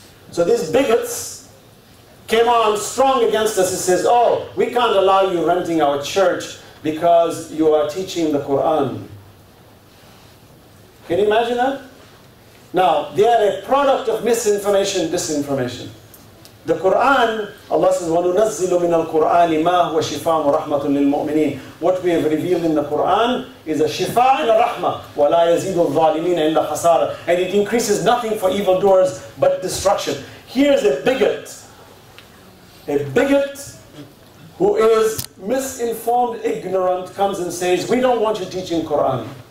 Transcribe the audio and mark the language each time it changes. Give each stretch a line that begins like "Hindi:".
English: So these bigots came on strong against us and says, oh, we can't allow you renting our church because you are teaching the Quran. Can you imagine that? Now, they are a product of misinformation, disinformation. The Quran, Allah says,
Arabic: وَنُنَزِّلُ مِنَ الْقُرْآنِ مَا هُوَ شِفَاءٌ وَرَحْمَةٌ لِلْمُؤْمِنِينَ.
English: What we have revealed in the Quran is a shifa and a rahma.
Arabic: وَلَا يَزِيدُ الظَّالِمِينَ إِلَّا خَسَارًا.
English: And it increases nothing for evildoers but destruction. Here's a bigot. A bigot who is misinformed, ignorant, comes and says, we don't want you teaching Quran.